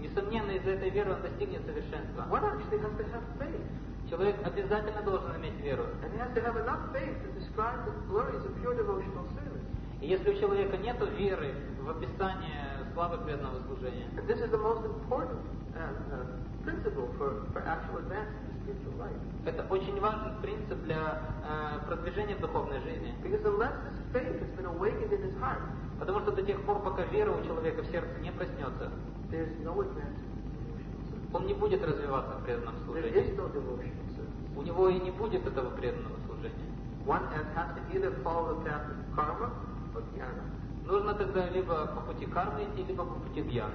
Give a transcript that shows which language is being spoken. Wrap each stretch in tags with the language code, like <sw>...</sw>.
<ru>Несомненно, из-за этой веры он достигнет совершенства.</ru> <en>One actually has to have faith.</en> <ru>Человек обязательно должен иметь веру.</ru> <en>And he has to have enough faith to describe the glories of pure devotional service.</en> <ru>Если у человека нет веры в описание славы преданного служения.</ru> <en>This is the most important principle for actual advancement. Life.</en> <ru>Это очень важный принцип для продвижения в духовной жизни.</ru> <en>Because unless this faith has been awakened in his heart,</en> <ru>потому что до тех пор, пока вера у человека в сердце не проснется,</ru> <en>there's no advancement.</en> <ru>Он не будет развиваться в преданном служении.</ru> <en>There is no devotion.</en> <ru>У него и не будет этого преданного служения.</ru> <en>One has to either follow the path of karma or dhyana.</en> <ru>Нужно тогда либо по пути кармы идти, либо по пути дьяны.</ru>